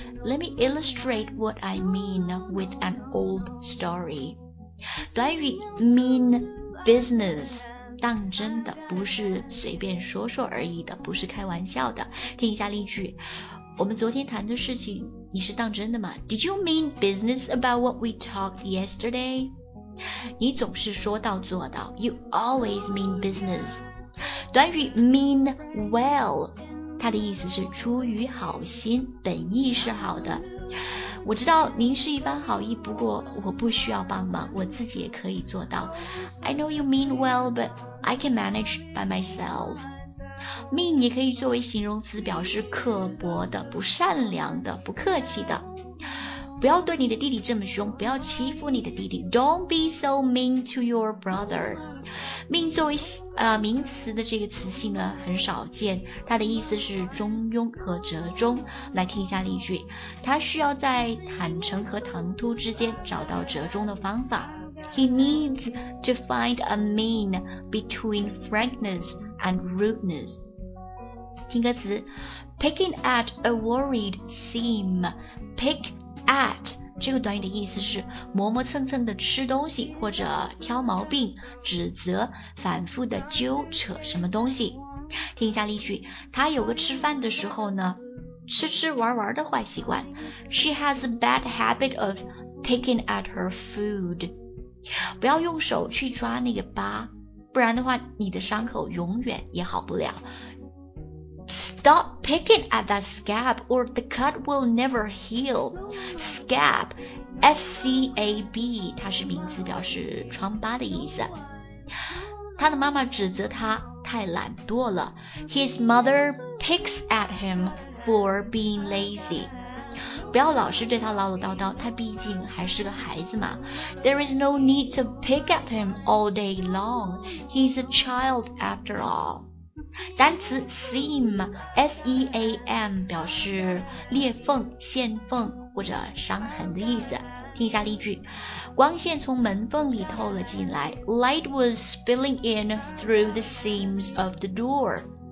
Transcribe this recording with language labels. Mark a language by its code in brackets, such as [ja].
[en] Let me illustrate what I mean with an old story。 [zh] 短语 mean business 当真的，不是随便说说而已的，不是开玩笑的。听一下例句，我们昨天谈的事情你是当真的吗？ [en] Did you mean business about what we talked yesterday? [zh] 你总是说到做到， [en] You always mean business。 [zh] 短语 mean well 它的意思是出于好心，本意是好的。我知道您是一番好意，不过我不需要帮忙，我自己也可以做到。 [en] I know you mean well, but I can manage by myself。 [zh] Mean 也可以作为形容词，表示刻薄的、不善良的、不客气的。不要对你的弟弟这么凶，不要欺负你的弟弟。 [en] Don't be so mean to your brother. [zh] Mean 作为名词的这个词性呢很少见，它的意思是中庸和折中。来听一下例句，他需要在坦诚和唐突之间找到折中的方法。 [en] He needs to find a mean between frankness and rudeness. [zh] 听歌词， [en] picking at a worried seam. [zh] Pick at 这个短语的意思是磨磨蹭蹭的吃东西，或者挑毛病、指责、反复的纠扯什么东西。听一下例句，他有个吃饭的时候呢，吃吃玩玩的坏习惯。 [en] She has a bad habit of picking at her food. [zh] 不要用手去抓那个疤，不然的话你的伤口永远也好不了。 [en] Stop picking at that scab or the cut will never heal. [zh] Scab S-C-A-B 它是名词，表示疮疤的意思。他的妈妈指责他太懒惰了。 [en] His mother picks at him for being lazy. [zh] 不要老是对他唠唠叨叨，他毕竟还是个孩子嘛。 [en] There is no need to pick at him all day long. He's a child after all. [zh] 单词 seam S-E-A-M 表示裂缝、线缝或者伤痕的意思。听一下例句，光线从门缝里透了进来。 [en] Light was spilling in through the seams of the door.